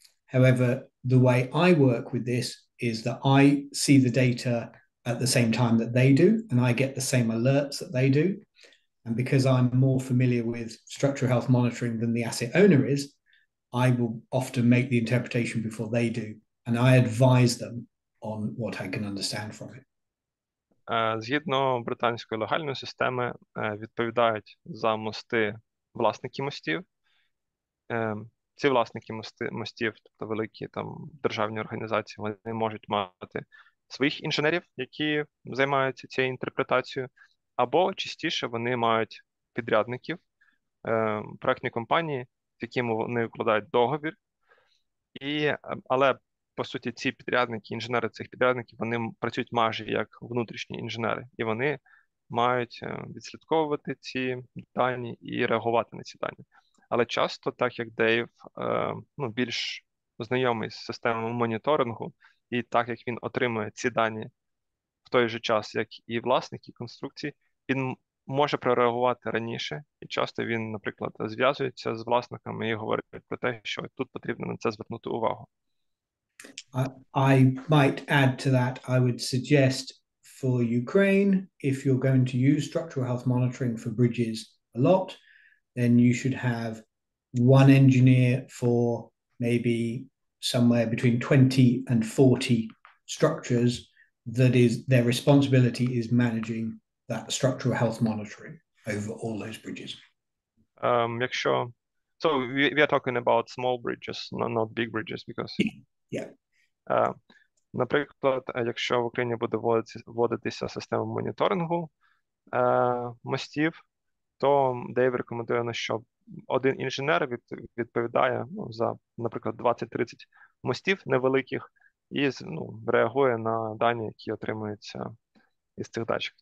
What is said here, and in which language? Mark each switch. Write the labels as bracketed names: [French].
[English] However, the way I work with this is that I see the data at the same time that they do, and I get the same alerts that they do. And because I'm more familiar with structural health monitoring than the asset owner is, I will often make the interpretation before they do, and I advise them on what I can understand from it. [Ukrainian] Згідно британської легальної системи, відповідають за мости власники мостів. Ці власники мостів, тобто великі там державні організації, вони можуть мати своїх інженерів, які займаються цією інтерпретацією, або частіше вони мають підрядників, проектні компанії, з якими вони укладають договір. Але, по суті, ці підрядники, інженери цих підрядників, вони працюють майже як внутрішні інженери, і вони мають відслідковувати ці дані і реагувати на ці дані. Але часто, так як Дейв більш знайомий з системами моніторингу, і так як він отримує ці дані в той же час, як і власники конструкції, він може прореагувати раніше, і часто він, наприклад, зв'язується з власниками і говорить про те, що тут потрібно на це звернути увагу. [English] I might add to that, I would suggest for Ukraine, if you're going to use structural health monitoring for bridges a lot, then you should have one engineer for maybe somewhere between 20 and 40 structures that is their responsibility is managing that structural health monitoring over all those bridges. Make sure. So we are talking about small bridges, not big bridges, because... Yeah. [Ukrainian] Наприклад, якщо в Україні буде вводитися система моніторингу мостів, то Дейв рекомендує, що один інженер відповідає за, наприклад, 20-30 мостів невеликих і реагує на дані, які отримуються із цих датчиків.